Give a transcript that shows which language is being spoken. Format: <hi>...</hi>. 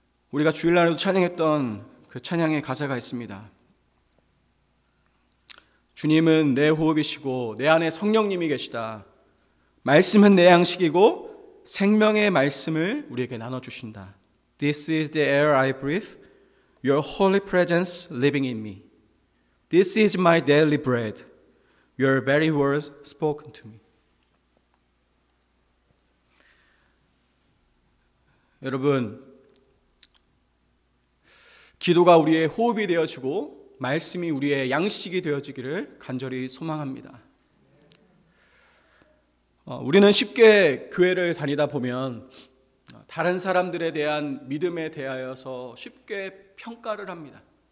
<ko>우리가 주일날에도 찬양했던 그 찬양의 가사가 있습니다. 주님은 내 호흡이시고 내 안에 성령님이 계시다. 말씀은 내 양식이고 생명의 말씀을 우리에게 나눠주신다.</ko> <en>This is the air I breathe. Your holy presence living in me. This is my daily bread. Your very words spoken to me.</en> <ko>여러분, 기도가 우리의 호흡이 되어지고 말씀이 우리의 양식이 되어지기를 간절히 소망합니다. 우리는 쉽게 교회를 다니다 보면 다른 사람들에 대한 믿음에 대하여서 쉽게 평가를 합니다.</ko>